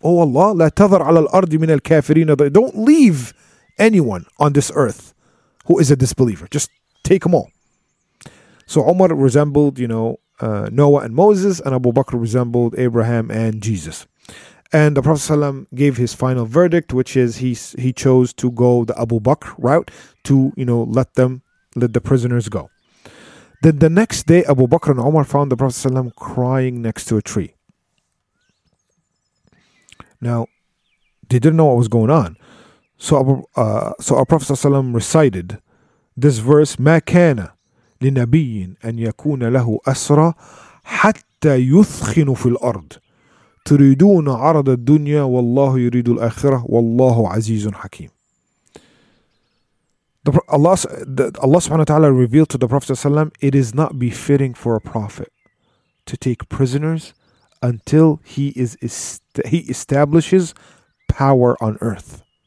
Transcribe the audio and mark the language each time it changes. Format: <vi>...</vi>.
<en>Oh Allah,</en> <ar>لا تظر على الأرض من الكافرين.</ar> <en>Don't leave anyone on this earth who is a disbeliever. Just take them all. So Umar resembled, you know, Noah and Moses, and Abu Bakr resembled Abraham and Jesus. And the Prophet ﷺ gave his final verdict, which is he chose to go the Abu Bakr route to, you know, let the prisoners go. Then the next day, Abu Bakr and Umar found the Prophet ﷺ crying next to a tree. Now, they didn't know what was going on. So our Prophet ﷺ recited this verse,</en> <ar>مَا كَانَ لِنَبِيٍّ أَنْ يَكُونَ لَهُ أَسْرَى حَتَّى يُثْخِنُ فِي الْأَرْضِ تُرِيدُونَ عَرَضَ الدُّنْيَا وَاللَّهُ يُرِيدُ الْآخِرَةِ وَاللَّهُ عَزِيزٌ حَكِيمٌ.</ar> <en>Allah subhanahu wa ta'ala revealed to the Prophet ﷺ, it is not befitting for a prophet to take prisoners until he establishes power on earth.</en>